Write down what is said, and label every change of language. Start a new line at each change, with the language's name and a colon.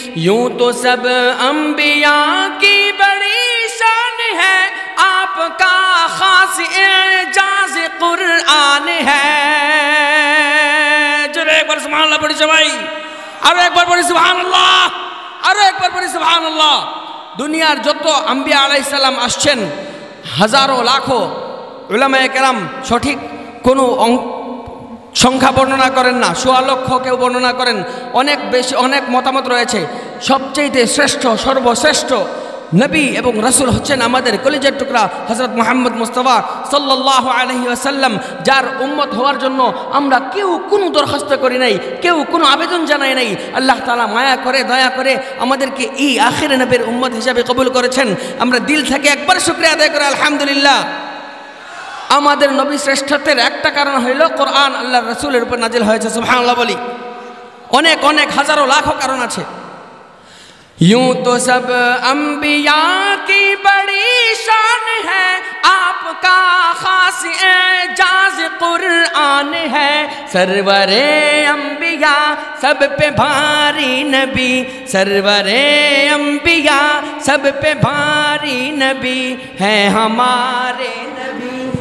Hindi: यूं तो सब अंबिया की बड़ी शान है, आपका खास एजाज कुरान है। जरे एक बार सुभान अल्लाह बड़ी जवाई, अरे एक बार बड़ी सुभान अल्लाह, अरे एक बार बड़ी सुभान अल्लाह।
Bangla: दुनियार जो तो अंबिया अलैहिस्सलाम आसछेन হাজারো লাখো, উলামায়ে কেরাম সঠিক কোনো সংখ্যা বর্ণনা করেন না, সোয়া লক্ষ কেউ বর্ণনা করেন, অনেক বেশি অনেক মতামত রয়েছে। সবচেয়েতে শ্রেষ্ঠ সর্বশ্রেষ্ঠ নবী এবং রাসূল হচ্ছেন আমাদের কলিজার টুকরা হযরত মুহাম্মদ মুস্তাফা সাল্লাল্লাহু আলাইহি ওয়াসাল্লাম, যার উম্মত হওয়ার জন্য আমরা কেউ কোনো দরখাস্ত করি নাই, কেউ কোনো আবেদন জানাই নাই। আল্লাহ তাআলা মায়া করে দয়া করে আমাদেরকে এই আখির নবীর উম্মত হিসাবে কবুল করেছেন। আমরা দিল থেকে একবার শুকরিয়া আদায় করি, আলহামদুলিল্লাহ। আমাদের নবী শ্রেষ্ঠত্বের একটা কারণ হইল কোরআন, আল্লাহর রাসূলের উপর নাজিল হয়েছে, সুবহানাল্লাহ বলি। অনেক অনেক হাজারো লাখো কারণ আছে,
Hindi: यूं तो सब अंबिया की बड़ी शान है, आपका खास एजाज कुरान है। सरवरे अंबिया सब पे भारी नबी, सरवरे अंबिया सब पे भारी नबी है हमारे नबी।